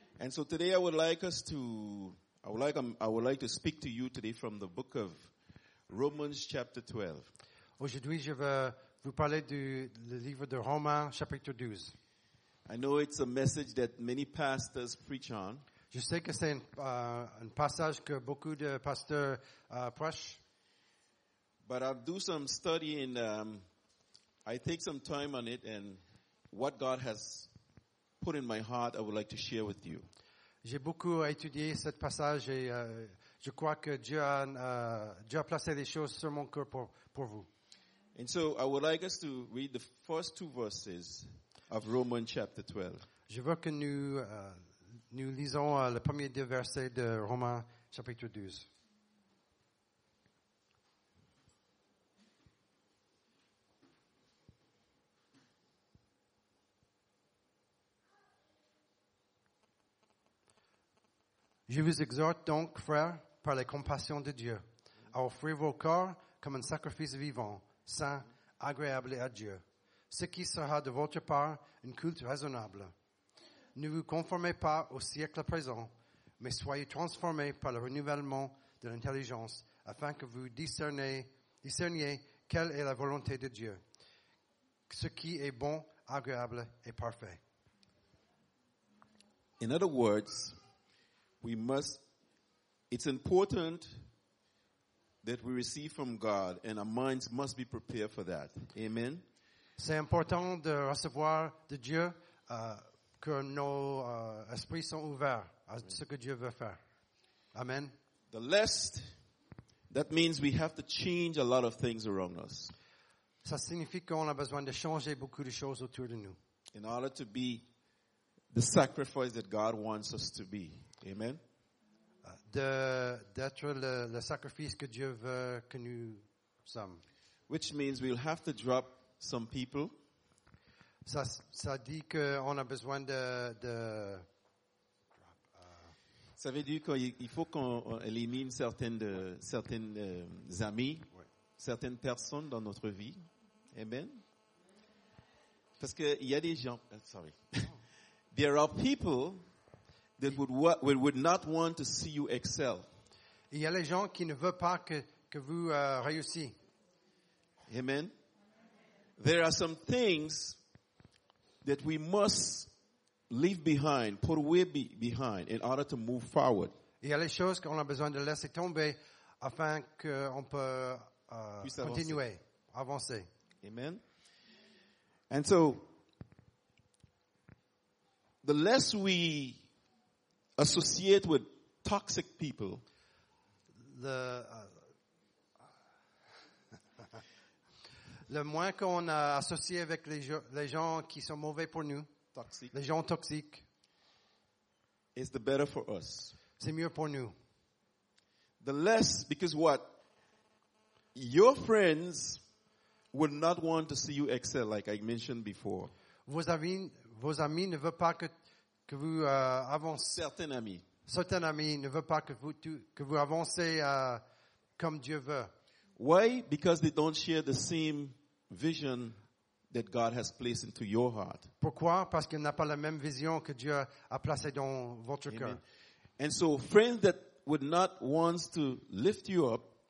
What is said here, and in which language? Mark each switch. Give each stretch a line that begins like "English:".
English: And so today I would like to speak to you today from the book of Romans chapter 12.
French: Aujourd'hui, je veux vous parler du livre de Romains chapitre 12.
English: I know it's a message that many pastors preach on.
French: Je sais que c'est un passage que beaucoup de pasteurs prêchent.
English: But I'll do some study and I take some time on it, and what God has put in my heart, I would like to share with you.
French: J'ai beaucoup étudié ce passage et je crois que Dieu a placé des choses sur mon cœur pour vous.
English: And so I would like us to read the first two verses of Romans chapter 12.
French: Je veux que nous lisons le premier deux versets de Romains chapitre 12. Je vous exhorte donc, frères, par la compassion de Dieu, à offrir vos corps comme un sacrifice vivant, saint, agréable à Dieu, ce qui sera de votre part un culte raisonnable. Ne vous conformez pas au siècle présent, mais soyez transformés par le renouvellement de l'intelligence, afin que vous discerniez quelle est la volonté de Dieu, ce qui est bon, agréable et parfait.
English: In other words, we must, it's important that we receive from God, and our minds must be prepared for that. Amen.
French: C'est important de recevoir de Dieu que nos esprits sont ouverts à ce que Dieu veut faire. Amen.
English: The less, that means we have to change a lot of things around us.
French: Ça signifie qu'on a besoin de changer beaucoup de choses autour de nous.
English: In order to be the sacrifice that God wants us to be. Amen.
French: D'être le sacrifice que Dieu veut que nous sommes.
English: Which means we'll have to drop some people.
French: Ça dit qu'on a besoin de ça veut dire qu'il faut qu'on élimine certaines amis, certaines personnes dans notre vie. Amen. Parce qu'il y a des gens.
English: Sorry. There are people that would not want to see you excel.
French: Il y a les gens qui ne veulent pas que vous réussissiez. Amen.
English: There are some things that we must leave behind, put away behind, in order to move forward.
French: Il y a les choses qu'on a besoin de laisser tomber afin qu'on peut continuer, avancer. Amen.
English: And so, the less we associate with toxic people,
French: le moins qu'on a associé avec les gens qui sont mauvais pour nous,
English: toxic,
French: les gens toxiques,
English: is the better for us.
French: C'est mieux pour nous.
English: The less, because what? Your friends would not want to see you excel, like I mentioned before.
French: Vos amis ne veulent pas que vous avancez. Certains amis ne veulent pas que vous avancez comme Dieu veut.
English: Why? Because they don't share the same vision that God has placed into your heart.
French: Pourquoi? Parce qu'il n'a pas la même vision que Dieu a placé dans votre cœur.
English: And so, friends that would not want to lift you up.